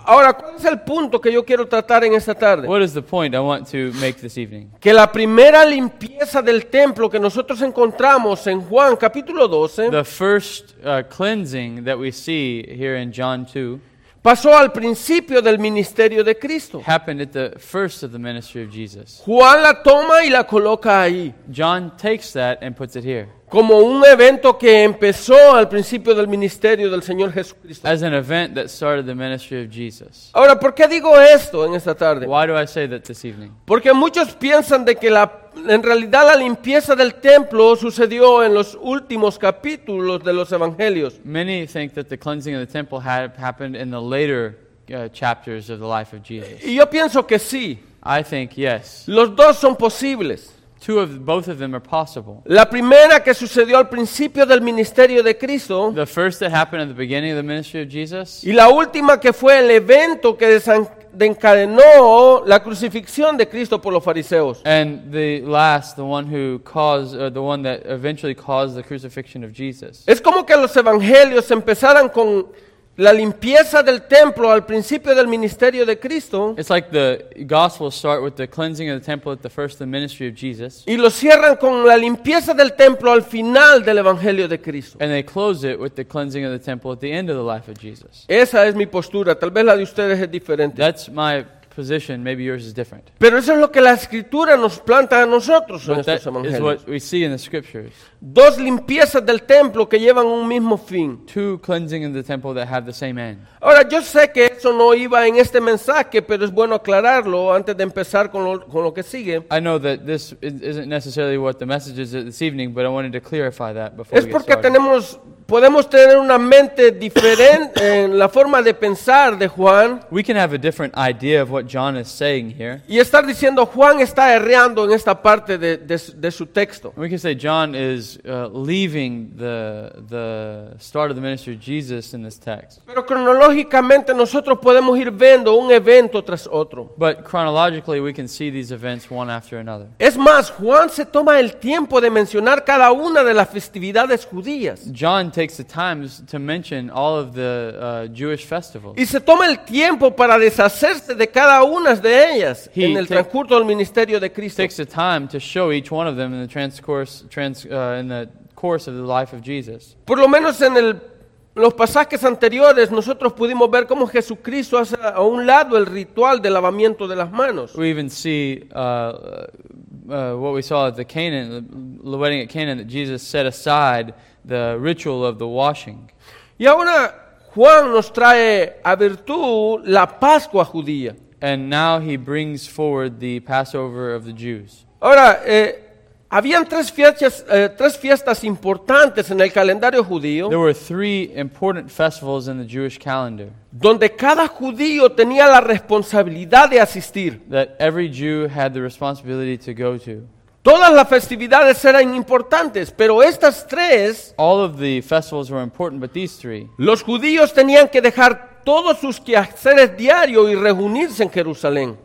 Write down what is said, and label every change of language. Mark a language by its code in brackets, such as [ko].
[es] Ahora, ¿cuál es el punto que yo quiero tratar en esta tarde? [en] What is the point I want to make this evening? [es] Que la primera limpieza del templo que nosotros encontramos en Juan capítulo 12. [en] The first cleansing that we see here in John 2. [es] pasó al principio del ministerio de Cristo. [en] Happened at the first of the ministry of Jesus. [es] Juan la toma y la coloca ahí. [en] John takes that and puts it here. [es] Como un evento que empezó al principio del ministerio del Señor Jesucristo. [en] As an event that started the ministry of Jesus. [es] Ahora, ¿por qué digo esto en esta tarde? [en] Why do I say that this evening? [es] Porque muchos piensan de que en realidad la limpieza del templo sucedió en los últimos capítulos de los evangelios. [en] Many think that the cleansing of the temple happened in the later chapters of the life of Jesus. [es] Y yo pienso que sí. [en] I think yes. [es] Los dos son posibles. [en] Both of them are possible. [es] La primera que sucedió al principio del ministerio de Cristo. [en] The first that happened at the beginning of the ministry of Jesus. [es] Y la última que fue el evento que desencadenó la crucifixión de Cristo por los fariseos. [en] And the last, the one who caused, or the one that eventually caused the crucifixion of Jesus. [es] Es como que los evangelios empezaran con la limpieza del templo al principio del ministerio de Cristo. [en] It's like the gospels start with the cleansing of the temple at the first of the ministry of Jesus. [es] Y lo cierran con la limpieza del templo al final del evangelio de Cristo. [en] And they close it with the cleansing of the temple at the end of the life of Jesus. [es] Esa es mi postura. Tal vez la de ustedes es diferente. [en] That's my position. Maybe yours is different. [es] Pero eso es lo que la escritura nos planta a nosotros en estos evangelios. [en] Is what we see in the scriptures. [es] Dos limpiezas del templo que llevan un mismo fin. [en] Two cleansing in the temple that have the same end. [es] Ahora, yo sé que eso no iba en este mensaje, pero es bueno aclararlo antes de empezar con lo que sigue. [en] I know that this isn't necessarily what the message is this evening, but I wanted to clarify that before we get started. [es] Es porque podemos tener una mente diferente en la forma de pensar de Juan. [en] We can have a different idea of what John is saying here. [es] Y estar diciendo Juan está errando en esta parte de su texto. [en] We can say John is leaving the start of the ministry of Jesus in this text. [es] Pero cronológicamente nosotros podemos ir viendo un evento tras otro. [en] But chronologically we can see these events one after another. [es] Es más, Juan se toma el tiempo de mencionar cada una de las festividades judías. [en] John takes the time to mention all of the Jewish festivals. [es] Y se toma el tiempo para deshacerse de cada una de ellas transcurso del ministerio de Cristo. [en] He takes the time to show each one of them in the course of the life of Jesus. [es] Por lo menos en los pasajes anteriores nosotros pudimos ver cómo Jesucristo hace a un lado el ritual del lavamiento de las manos. [en] We even see what we saw at the Canaan, the wedding at Canaan, that Jesus set aside the ritual of the washing. [es] Y ahora Juan nos trae a virtud la Pascua judía. [en] And now he brings forward the Passover of the Jews. [es] Ahora, habían tres fiestas importantes en el calendario judío. [en] There were three important festivals in the Jewish calendar. [es] Donde cada judío tenía la responsabilidad de asistir. [en] That every Jew had the responsibility to go to. [es] Todas las festividades eran importantes, pero estas tres. [en] All of the festivals were important, but these three. [es] Los judíos tenían que dejar todos sus quehaceres diarios y reunirse en Jerusalén.